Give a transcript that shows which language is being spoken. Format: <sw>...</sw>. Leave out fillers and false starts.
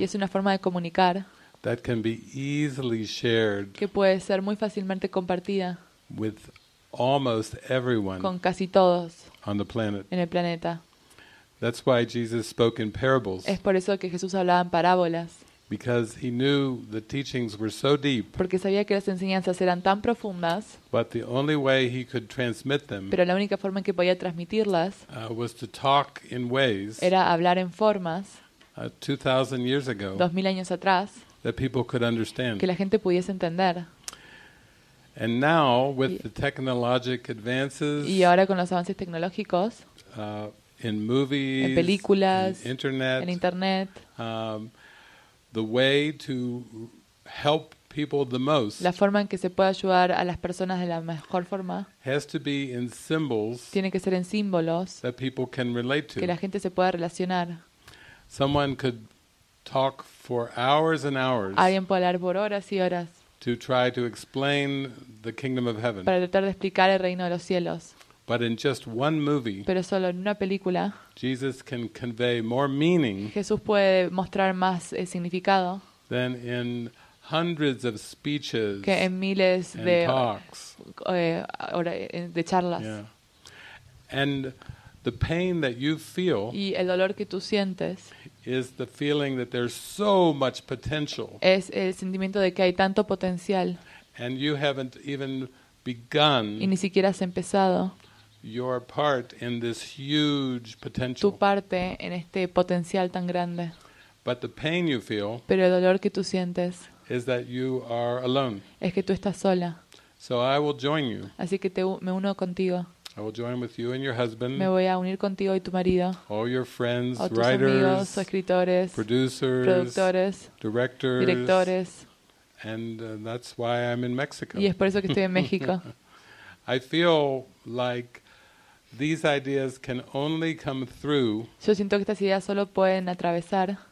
<es>Y es una forma de comunicar.</es> <en>That can be easily shared.</en> <es>Que puede ser muy fácilmente compartida.</es> <en>With almost everyone.</en> <es>Con casi todos.</es> <en>On the planet.</en> <es>En el planeta.</es> <en>That's why Jesus spoke in parables.</en> <es>Es por eso que Jesús hablaba en parábolas.</es> <en>Because he knew the teachings were so deep.</en> <es>Porque sabía que las enseñanzas eran tan profundas.</es> <en>But the only way he could transmit them.</en> <es>Pero la única forma en que podía transmitirlas.</es> <en>Was to talk in ways.</en> <es>Era hablar en formas.</es> <en>2,000 years ago.</en> <es>2,000 años atrás.</es> <en>That people could understand.</en> <es>Que la gente pudiese entender.</es> <en>And now with the technologic advances.</en> <es>Y ahora con los avances tecnológicos.</es> <en>In movies.</en> <es>En películas.</es> <en>In internet.</en> <es>En internet.</es> <en>The way to help people the most.</en> <es>La forma en que se puede ayudar a las personas de la mejor forma.</es> <en>Has to be in symbols.</en> <es>Tiene que ser en símbolos.</es> <en>That people can relate to.</en> <es>Que la gente se pueda relacionar.</es> <en>Someone could talk for hours and hours.</en> <es>Alguien puede hablar por horas y horas.</es> <en>To try to explain the kingdom of heaven.</en> <es>Para tratar de explicar el reino de los cielos.</es> <en>But in just one movie.</en> <es>Pero solo en una película.</es> <en>Jesus can convey more meaning.</en> <es>Jesús puede mostrar más significado.</es> <en>Than in hundreds of speeches.</en> <es>Que en miles</es> <en>and</en> <es>de</es> <en>talks.</en> <es>De charlas.</es> <en>Yeah. And the pain that you feel.</en> <es>Y el dolor que tú sientes.</es> <en>Is the feeling that there's so much potential.</en> <es>Es el sentimiento de que hay tanto potencial.</es> <en>And you haven't even begun.</en> <es>Y ni siquiera has empezado.</es> <en>Your part in this huge potential.</en> <es>Tu parte en este potencial tan grande.</es> <en>But the pain you feel.</en> <es>Pero el dolor que tú sientes.</es> <en>Is that you are alone.</en> <es>Es que tú estás sola.</es> <en>So I will join you.</en> <es>Así que me uno contigo.</es> <en>I will join with you and your husband.</en> <es>Me voy a unir contigo y tu marido.</es> <en>All your friends,</en> <es>o tus</es> <en>writers,</en> <es>amigos, escritores,</es> <en>producers,</en> <es>productores,</es> <en>directors,</en> <es>directores.</es> <en>And that's why I'm in Mexico.</en> <es>Y es por eso que estoy en México.</es> <en>I feel like these ideas can only come through.</en> <es>Yo siento que estas ideas solo pueden atravesar.</es>